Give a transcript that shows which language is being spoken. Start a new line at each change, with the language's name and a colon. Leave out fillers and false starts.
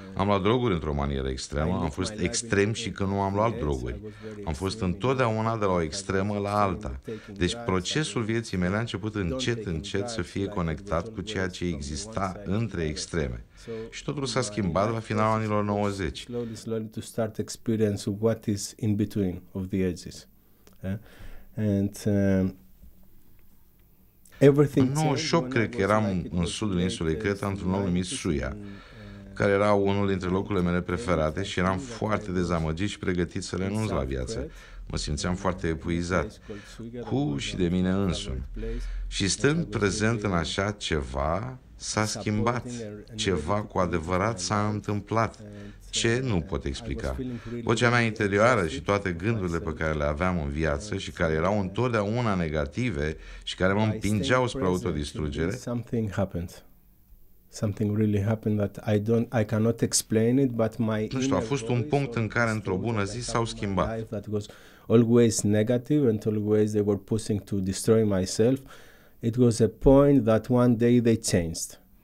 Romanian: Am luat droguri într-o manieră extremă, am fost extrem și când nu am luat droguri. Am fost întotdeauna de la o extremă la alta. Deci procesul vieții mele a început încet, încet să fie conectat cu ceea ce exista între extreme. Și totul s-a schimbat la finalul anilor 90.
English: Slowly, slowly to start experience what is in between of the edges. And everything.
Romanian: În 98, cred că eram în sudul insulei Creta, într-un loc numit Suia, care era unul dintre locurile mele preferate și eram foarte dezamăgit și pregătit să renunț la viață. Mă simțeam foarte epuizat, cu și de mine însumi. Și stând prezent în așa ceva, s-a schimbat. Ceva cu adevărat s-a întâmplat. Ce nu pot explica. Vocea mea interioară și toate gândurile pe care le aveam în viață și care erau întotdeauna negative și care mă împingeau spre autodistrugere.
English: Something happened. Something really happened that I cannot explain it, but my
Romanian: nu știu, a fost un punct în care într-o bună zi s-au schimbat.
English: That was always negative and always they were pushing to destroy myself. It was a point that one day they changed.